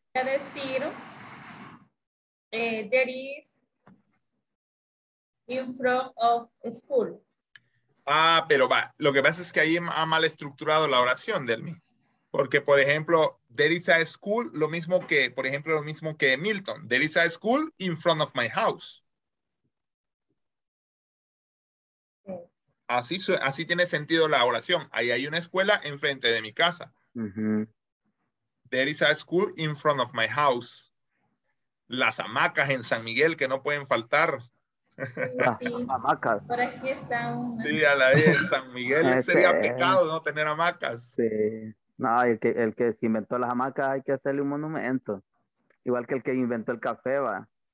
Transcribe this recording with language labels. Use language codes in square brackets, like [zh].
[es] Voy a decir, [en] there is in front of school. [es] Ah, pero va, lo que pasa es que ahí ha mal estructurado la oración, Delmi. Porque, por ejemplo, [en] there is a school, [es] lo mismo que, por ejemplo, lo mismo que Milton. [en] There is a school in front of my house. [es] Así tiene sentido la oración. Ahí hay una escuela enfrente de mi casa. Uh-huh. [en] There is a school in front of my house. [es] Las hamacas en San Miguel que no pueden faltar. Sí, hamacas. Por aquí está una. Sí, a la de San Miguel. Sería pecado no tener hamacas. Sí. No, el que se inventó las hamacas hay que hacerle un monumento. Igual que el que inventó el café, va.